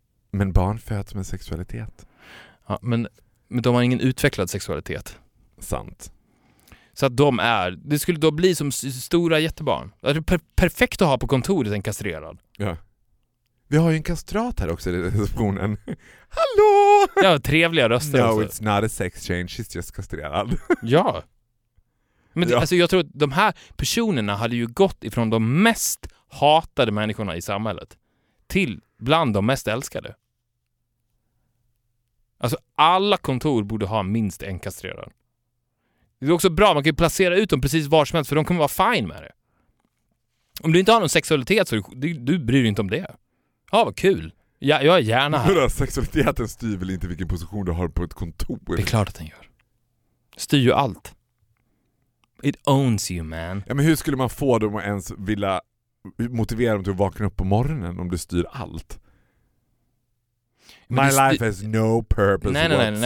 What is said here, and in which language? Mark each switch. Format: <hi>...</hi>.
<sv>Men barn föds med sexualitet. Ja, men de har ingen utvecklad sexualitet. Sant. Så att de är, det skulle då bli som stora jättebarn. Det är perfekt att ha på kontoret en kastrerad. Ja. Vi har ju en kastrat här också i receptionen. Hallå! Ja, trevliga röster.</sv> <en>No, it's not a sex change, she's just</en> <sv>kastrerad. Ja. Men ja. Alltså, jag tror att de här personerna hade ju gått ifrån de mest hatade människorna i samhället till bland de mest älskade. Alltså alla kontor borde ha minst en kastrerad. Det är också bra, man kan ju placera ut dem precis var som helst för de kommer vara fine med det. Om du inte har någon sexualitet så du bryr dig inte om det. Ja, vad kul. Jag är gärna här. Men sexualiteten styr väl inte vilken position du har på ett kontor? Det är klart att den gör. Styr ju allt.</sv> <en>It owns you, man.</en> <sv>Ja, men hur skulle man få dem att ens vilja motivera dem till att vakna upp på morgonen om du styr allt?</sv> <en>My life has no purpose whatsoever.</en>